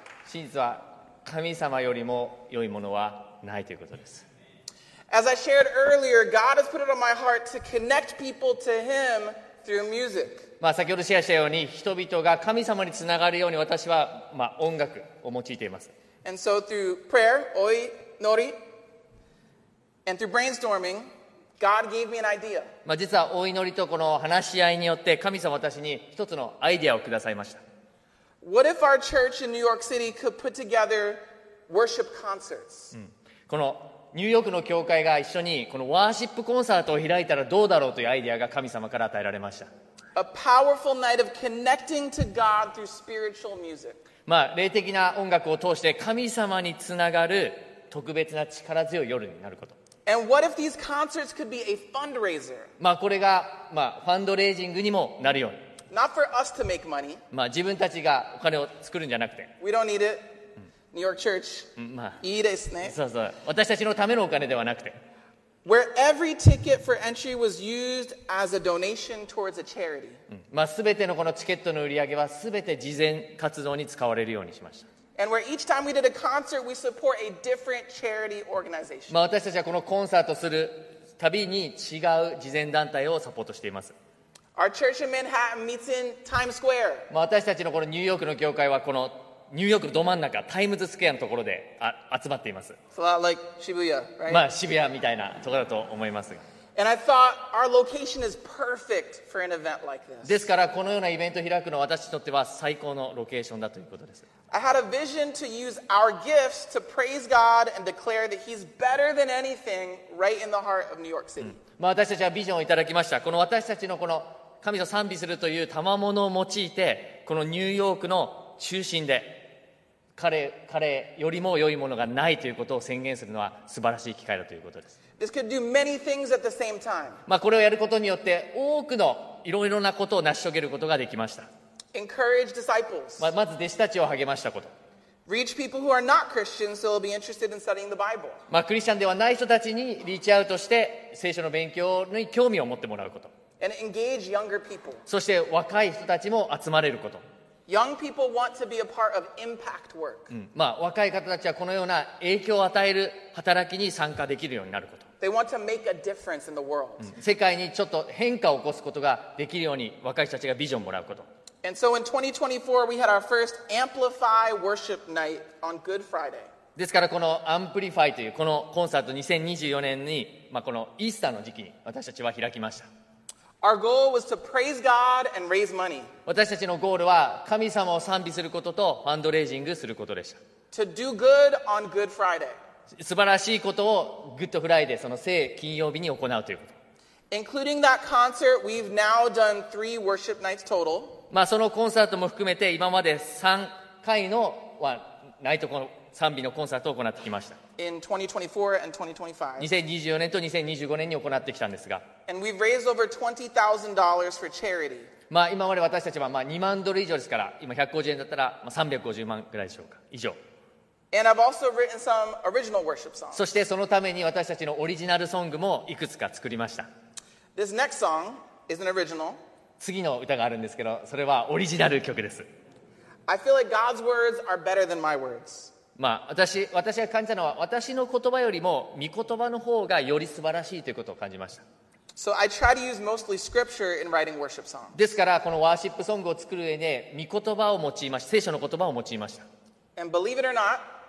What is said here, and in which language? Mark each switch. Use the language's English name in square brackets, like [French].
[Japanese] 真実は神様よりも良いものはないということです。 [English] As I shared earlier, God has put it on my heart to connect people to Him through music. [Japanese] まあ先ほどシェアしたように人々が神様につながるように私はまあ音楽を用いています。 [English] And so through prayer, お祈り, and through brainstorming, God gave me an idea. [Japanese] まあ実はお祈りとこの話し合いによって神様は私に一つのアイデアをくださいました。 [English] What if our church in New York City could put together worship concerts? [Japanese] このニューヨークの教会が一緒にこのワーシップコンサートを開いたらどうだろうというアイデアが神様から与えられました。 [English] A powerful night of connecting to God through spiritual music. [Japanese] まあ霊的な音楽を通して神様につながる特別な力強い夜になること。 [English] And what if these concerts could be a fundraiser? [Japanese] まあこれがまあファンドレイジングにもなるように。 [English] Not for us to make money. [Japanese] まあ自分たちがお金を作るんじゃなくて。 [English] We don't need it. New York Church、 [Japanese] まあ、いいですね。そうそう。私たちのためのお金ではなくて。 [English] Where every ticket for entry was used as a donation towards a charity.、 [Japanese] まあ、全てのこのチケットの売り上げは全て慈善活動に使われるようにしました。 [English] And where each time we did a concert, we support a different charity organization. [Japanese] まあ私たちはこのコンサートするたびに違う慈善団体をサポートしています。 [English] Our church in Manhattan meets in Times Square. [Japanese] まあ私たちのこのニューヨークの教会はこのニューヨークのど真ん中、タイムズスクエアのところで集まっています。 [English] So, like, Shibuya, right? [Japanese] まあ、渋谷みたいなところだと思います。 [English] And I thought our location is perfect for an event like this. [Japanese] ですから、このようなイベントを開くのは私にとっては最高のロケーションだということです。 [English] I had a vision to use our gifts to praise God and declare that He's better than anything right in the heart of New York City.、 [Japanese] まあ、私たちはビジョンをいただきました。この私たちのこの神を賛美するという賜物を用いて、このニューヨークの中心で彼よりも良いものがないということを宣言するのは素晴らしい機会だということです。 [English] This could do many things at the same time. [Japanese] まあこれをやることによって多くのいろいろなことを成し遂げることができました。 [English] Encourage disciples. [Japanese] まず弟子たちを励ましたこと。 [English] Reach people who are not Christians so they'll be interested in studying the Bible. [Japanese] まあクリスチャンではない人たちにリーチアウトして聖書の勉強に興味を持ってもらうこと。 [English] And engage younger people. [Japanese] そして若い人たちも集まれること。 [English] Young people want to be a part of impact work. [Japanese] まあ若い方たちはこのような影響を与える働きに参加できるようになること。 [English] They want to make a difference in the world. [Japanese] 世界にちょっと変化を起こすことができるように若い人たちがビジョンをもらうこと。 [English] And so in 2024 we had our first Amplify worship night on Good Friday. [Japanese] ですからこの Amplify というこのコンサート2024年にまあこのイースターの時期に私たちは開きました。 [English] Our goal was to praise God and raise money. [Japanese] 私たちのゴールは神様を賛美することとファンドレイジングすることでした。 [English] To do good on Good Friday. [Japanese] 素晴らしいことをグッドフライデー、その聖金曜日に行うということ。 [English] Including that concert, we've now done three worship nights total. [Japanese] まあそのコンサートも含めて今まで3回のナイト賛美のコンサートを行ってきました。 [English] In 2024 and 2025. [Japanese] 2024年と2025年に行ってきたんですが。 [English] And we've raised over $20,000 for charity. [Japanese] まあ今まで私たちはまあ2万ドル以上ですから、今150円だったらまあ350万ぐらいでしょうか。以上。 [English] And I've also written some original worship songs. [Japanese] そしてそのために私たちのオリジナルソングもいくつか作りました。 [English] This next song is an original. [Japanese] 次の歌があるんですけど、それはオリジナル曲です。 [English] I feel like God's words are better than my words. [Japanese] まあ、私が感じたのは私の言葉よりも御言葉の方がより素晴らしいということを感じました。 [English] So I try to use mostly scripture in writing worship songs. [Japanese] ですからこのワーシップソングを作る上で御言葉を用いました。聖書の言葉を用いました。 [English] And believe it or not,